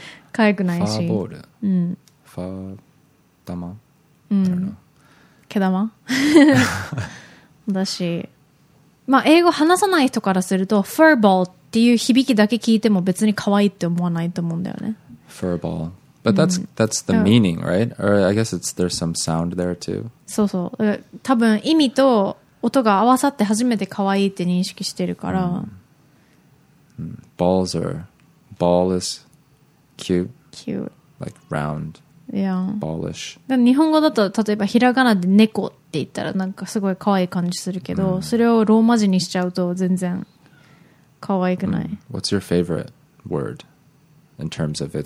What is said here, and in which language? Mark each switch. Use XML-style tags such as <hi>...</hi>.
<ja>可愛くないし。ファーボール。うん。ファー玉。うん、毛玉だし、まあ英語話さない人からすると furball っていう響きだけ聞いても別に可愛いって思わないと思うんだよね。</ja> <en>furball but that's、うん、that's the meaning right or I guess it's there's some sound there too。</en> <ja>そうそう、多分意味と音が合わさって初めて可愛いって認識してるから、うん、</ja> <en>balls are ball is cute cute like round Yeah. Ballish.</en> <ja>日本語だと例えばひらがなで猫って言ったらなんかすごい可愛い感じするけど、それをローマ字にしちゃうと全然可愛くない。</ja> <en>What's your favorite word in terms of its</en>